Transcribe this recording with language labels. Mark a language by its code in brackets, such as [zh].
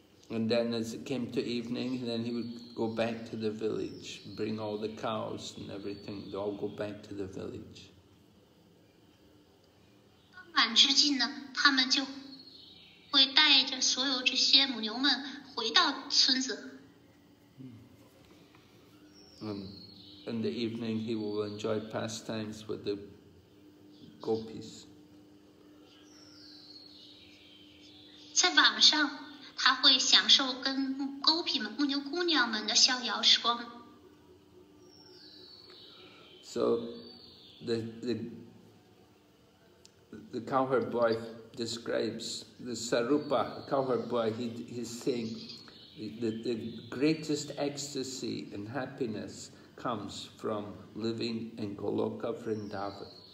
[en] And then as it came to evening, then he would go back to the village, bring all the cows and everything, they all go back to the village. [zh] 晚之际呢，他们就会带着所有这些母牛们回到村子。 [en] In the evening, he will enjoy pastimes with the gopis. [zh] 在晚上，他会享受跟勾皮们、母牛姑娘们的逍遥时光。 [en] So, the cowherd boy describes the sarupa, the cowherd boy, he's saying that the greatest ecstasy and happiness comes from living in Goloka Vrindavan.